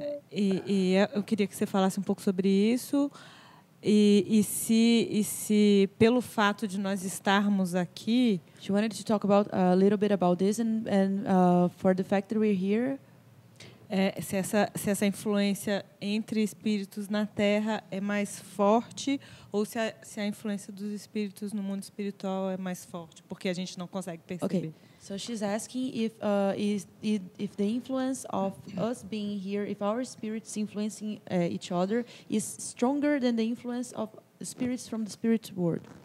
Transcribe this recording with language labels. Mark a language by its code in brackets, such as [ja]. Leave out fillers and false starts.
[pt] E eu queria que você falasse um pouco sobre isso e se pelo fato de nós estarmos aqui. [en] She wanted to talk about a little bit about this and for the fact that we're here. [pt] Se essa influência entre espíritos na Terra é mais forte ou se a influência dos espíritos no mundo espiritual é mais forte, porque a gente não consegue perceber. [en] Okay. So she's asking if the influence of us being here, if our spirits influencing each other, is stronger than the influence of spirits from the spirit world